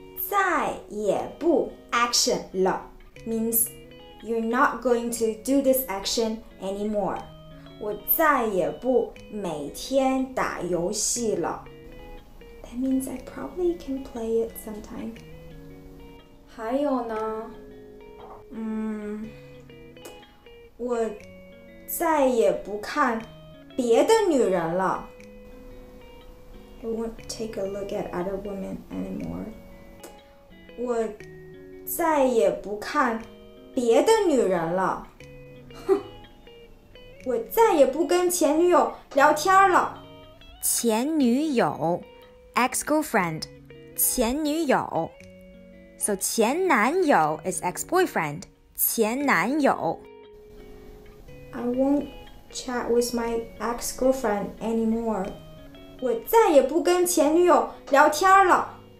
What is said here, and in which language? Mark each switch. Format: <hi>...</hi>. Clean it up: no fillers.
<en>再也不 action 了 means you're not going to do this action anymore.</en> <zh>我再也不每天打游戏了。</zh> <en>That means I probably can play it sometime.</en> <zh>还有呢？我再也不看别的女人了。</zh> <en>I won't take a look at other women anymore.</en> <zh>我再也不看别的女人了。哼，我再也不跟前女友聊天了。</zh> <en>前女友。Ex-girlfriend, 前女友 So 前男友 is ex-boyfriend, 前男友 I won't chat with my ex-girlfriend anymore.</en> <zh>我再也不跟前女友聊天了。</zh>